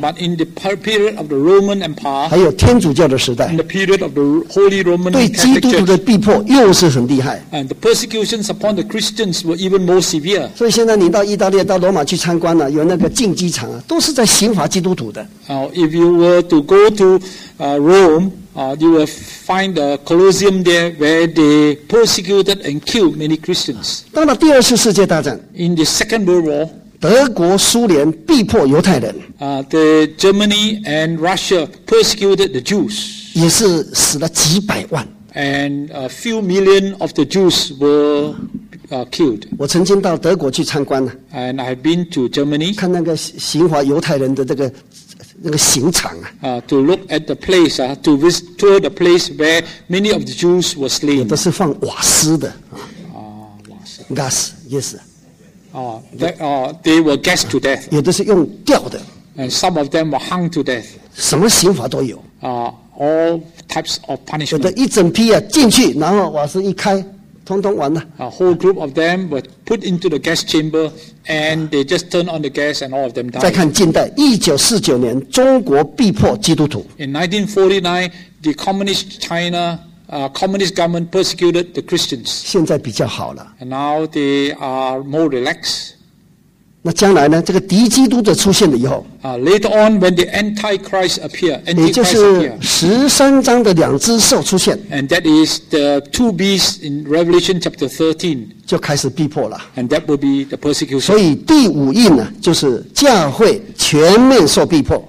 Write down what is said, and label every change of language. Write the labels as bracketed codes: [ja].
[en] But in the period of the Roman Empire. [zh] 还有天主教的时代。 [en] In the period of the Holy Roman Empire. [zh] 对基督徒的逼迫又是很厉害。 [en] And the persecutions upon the Christians were even more severe. [zh] 所以现在你到意大利到罗马去参观了，有那个竞技场都是在刑罚基督徒的。 [en] Now, if you were to go to Rome,you will find the Colosseum there where they persecuted and killed many Christians. [zh] 到了第二次世界大战 [en] In the Second World War, [zh] 德国苏联逼迫犹太人 [en] the Germany and Russia persecuted the Jews. [zh] 也是死了几百万 [en] And a few million of the Jews were killed. [zh] 我曾经到德国去参观 [en] And I've been to Germany. [zh] 看那个刑罚犹太人的这个那个刑场啊 [en] to look at the place, to visit to the place where many of the Jews were slain. [zh] 有的是放瓦斯的瓦斯 [en] gas, yes. They were gassed to death. [zh] 有的是用吊的 [en] and some of them were hung to death. [zh] 什么刑罚都有 [en] all types of punishment. [zh] 有的一整批啊进去，然后瓦斯一开，通通完了。 [en] A whole group of them were put into the gas chamber, and they just turned on the gas, and all of them died. [zh] 再看近代，1949年，中国逼迫基督徒。 [en] In 1949, the communist China, communist government persecuted the Christians. [zh] 现在比较好了。 [en] And now they are more relaxed. [zh] 那将来呢？这个敌基督的出现了以后。 [en] Later on, when the Antichrist appear, [zh] 也就是十三章的两只兽出现 [en] ，and that is the two beasts in Revelation chapter 13, [zh] 就开始逼迫了 [en] ，and that will be the persecution. [zh] 所以第五印呢，就是教会全面受逼迫。